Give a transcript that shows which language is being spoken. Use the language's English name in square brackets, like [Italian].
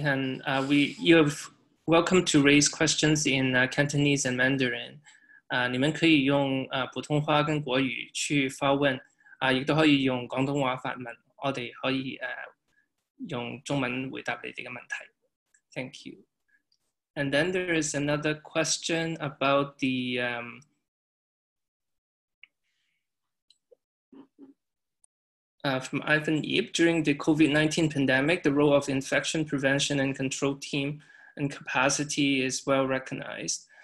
[English] You're welcome to raise questions in Cantonese and Mandarin. [Chinese] 你们可以用普通话跟国语去发问, 也可以用广东话发问,我们可以 用中文回答你们的问题. [English] Thank you. And then there is another question about the from Ivan Yip. During the COVID-19 pandemic, the role of infection prevention and control team and capacity is well recognized.